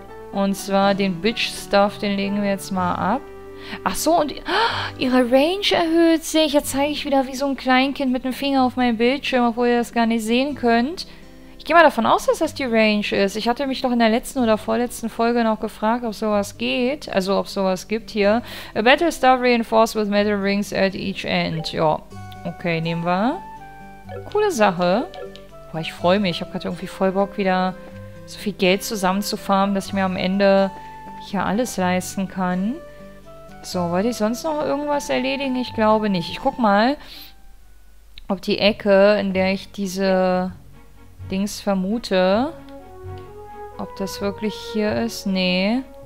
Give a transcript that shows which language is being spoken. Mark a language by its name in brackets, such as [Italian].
[German] Und zwar den Bitch-Stuff, den legen wir jetzt mal ab. Ach so, und ihre Range erhöht sich. Jetzt zeige ich wieder wie so ein Kleinkind mit einem Finger auf meinem Bildschirm, obwohl ihr das gar nicht sehen könnt. Ich gehe mal davon aus, dass das die Range ist. Ich hatte mich doch in der letzten oder vorletzten Folge noch gefragt, ob sowas geht. Also, ob sowas gibt hier. [English] A battle star reinforced with metal rings at each end. [German] Ja, okay, nehmen wir. Coole Sache. Boah, ich freue mich. Ich habe gerade irgendwie voll Bock, wieder so viel Geld zusammenzufarmen, dass ich mir am Ende hier alles leisten kann. So, wollte ich sonst noch irgendwas erledigen? Ich glaube nicht. Ich guck mal, ob die Ecke, in der ich diese Dings vermute, ob das wirklich hier ist. Nee.